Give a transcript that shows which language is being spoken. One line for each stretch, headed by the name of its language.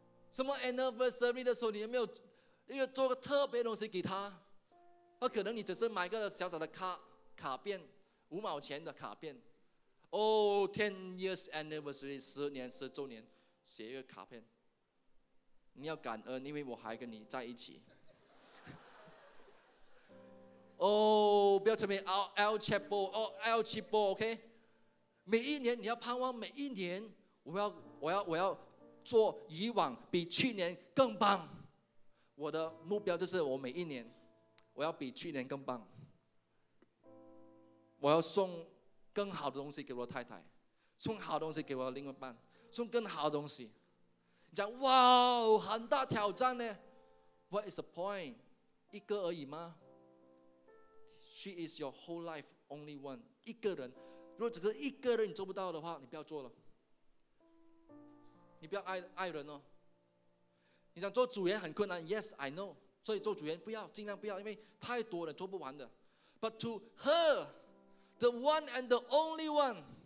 Chinese: 什么 anniversary 的时候，你有没有一个做个特别的东西给他？而可能你只是买个小小的卡片，五毛钱的卡片。
English: Oh, 10 years anniversary,
Chinese: 10年10周年，写一个卡片。你要感恩，因为我还跟你在一起。 Oh, 不要称为 Archibald, OK? 每一年你要盼望，每一年我要做以往比去年更棒。我的目标就是我每一年我要比去年更棒，我要送更好的东西给我太太，送好的东西给我另一半，送更好的东西。你讲哇，很大挑战呢。
English: What is the point?
Chinese: 一个而已吗？
English: She is your whole life, only one.
Chinese: 一个人，如果只是一个人你做不到的话，你不要做了。你不要 爱人哦。你想做主人很困难，
English: Yes, I know.
Chinese: 所以做主人不要，尽量不要，因为太多了，做不完的。
English: But to her,The one and the only one.